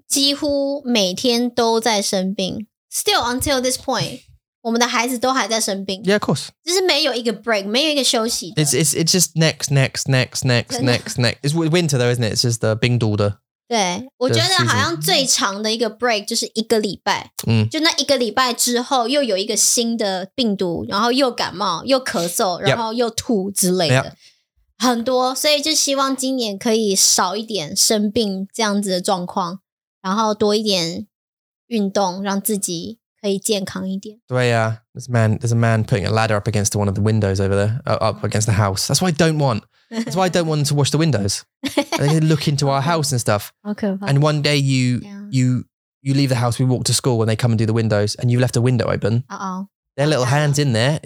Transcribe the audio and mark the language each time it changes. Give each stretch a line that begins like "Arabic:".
Chinese: 几乎每天都在生病.
English: Still until this point,
Chinese: 我们的孩子都还在生病.
English: Yeah, of course.
Chinese: 就是没有一个break, 没有一个休息.
English: It's just next. It's winter though, isn't it? It's just the 冰毒的.
Chinese: 对,我觉得好像最长的一个break 就是一个礼拜. 就那一个礼拜之后又有一个新的病毒, 然后又感冒, 又咳嗽, 然后又吐之类的。
English: Yep.
Chinese: 很多, 所以就希望今年可以少一点生病这样子的状况。然后多一点运动，让自己可以健康一点。对呀，
English: there's a man putting a ladder up against one of the windows over there, up against the house. That's why I don't want. That's why I don't want to wash the windows. They look into our house and stuff. Okay. And one day you leave the house. We walk to school when they come and do the windows, and you left a window open. Uh-oh. Their little hands in there.